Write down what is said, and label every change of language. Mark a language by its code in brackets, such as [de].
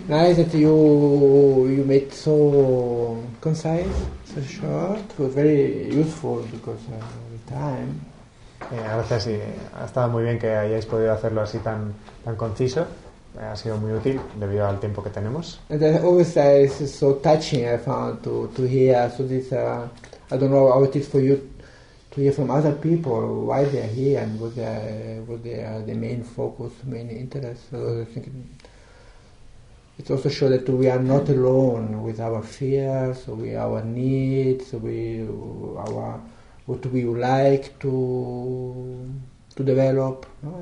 [en] Nice that you made so concise, so short, but very useful because the time. [es] Gracias, y ha estado muy bien que hayáis podido hacerlo así tan conciso. Ha sido muy útil debido al tiempo que tenemos. [en] And then always it's so touching I found to hear. So this I don't know how it is for you to hear from other people why they are here and what they are the main focus, main interest. So I think it also shows that we are not alone with our fears, our needs, what we would like to develop. No?